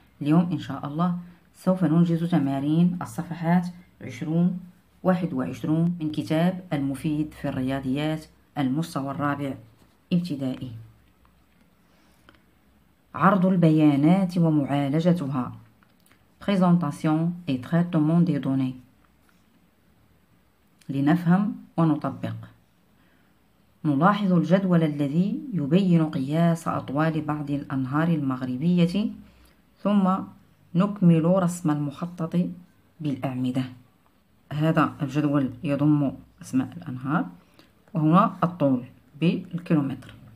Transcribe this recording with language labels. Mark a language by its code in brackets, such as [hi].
[ar] اليوم إن شاء الله سوف ننجز تمارين الصفحات 20 و 21 من كتاب المفيد في الرياضيات المستوى الرابع ابتدائي. عرض البيانات ومعالجتها. [fr] Présentation et traitement des données. [ar] لنفهم ونطبق. نلاحظ الجدول الذي يبين قياس أطوال بعض الأنهار المغربية، ثم نكمل رسم المخطط بالأعمدة. هذا الجدول يضم أسماء الأنهار، وهنا الطول بالكيلومتر.